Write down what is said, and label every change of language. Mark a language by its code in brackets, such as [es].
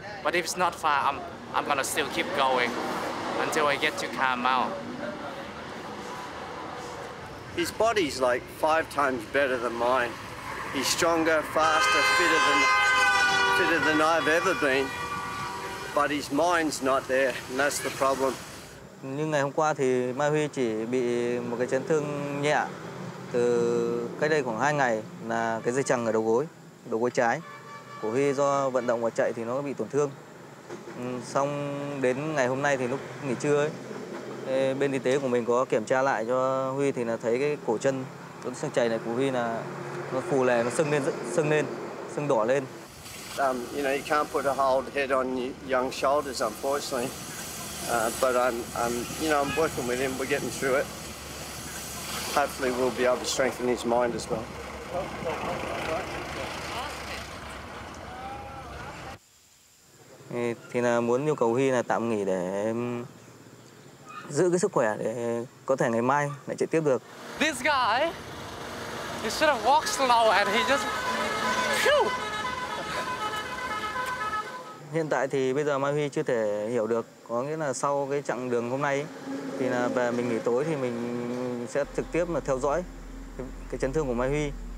[en] But if it's not fine, I'm gonna still keep going until I get to Camp Mount. His body's like 5 times better than mine. He's stronger, faster, fitter than I've ever been. But his mind's not there, and that's the problem. [vi] Nhưng ngày hôm qua thì Mai Huy chỉ bị một cái chấn thương nhẹ từ cách đây khoảng 2 ngày là cái dây chằng ở đầu gối trái của Huy do vận động và chạy thì nó bị tổn thương. Xong đến ngày hôm nay thì lúc nghỉ trưa ấy, bên y tế của mình có kiểm tra lại cho Huy thì là thấy cái cổ chân, cái xương chày này của Huy là nó phù lè, nó sưng đỏ lên. [en] You know, you can't put a whole head on your young shoulders, unfortunately. But I'm working with him. We're getting through it. Hopefully, we'll be able to strengthen his mind as well. [vi] Thì là muốn yêu cầu Huy là tạm nghỉ để giữ cái sức khỏe để có thể ngày mai lại chạy tiếp được. [en] This guy, he should have walked slower and he just. Phew! [vi] Hiện tại thì bây giờ Mai Huy chưa thể hiểu được, có nghĩa là sau cái chặng đường hôm nay thì là về mình nghỉ tối thì mình sẽ trực tiếp là theo dõi cái chấn thương của Mai Huy.